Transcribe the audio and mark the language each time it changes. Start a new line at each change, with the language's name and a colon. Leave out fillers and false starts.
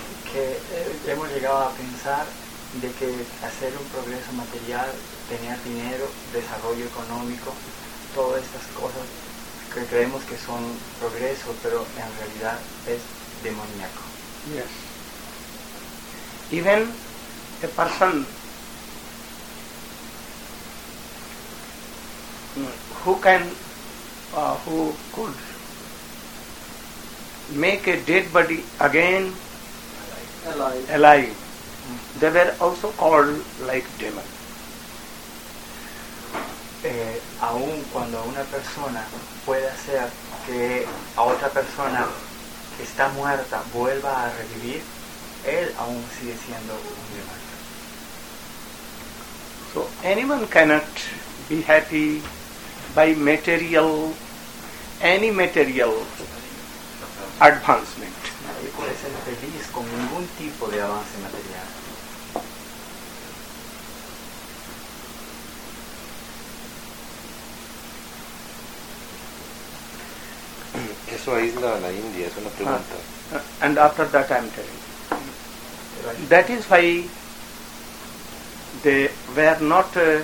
Spanish: Que hemos llegado a pensar de que hacer un progreso material, tener dinero, desarrollo económico, todas estas cosas que creemos que son progreso, pero en realidad es demoníaco.
English: Yes. Even a person who could make a dead body again alive. They were also called like demon.
Spanish: Aun cuando una persona puede hacer que a otra persona que está muerta vuelva a revivir, él aún sigue siendo un demon.
English: So anyone cannot be happy by material, any material advancement.
Spanish: Nadie puede ser feliz con ningún tipo de avance material. Eso aísla a la India, es una pregunta.
English: And after that I am telling. That is why they were not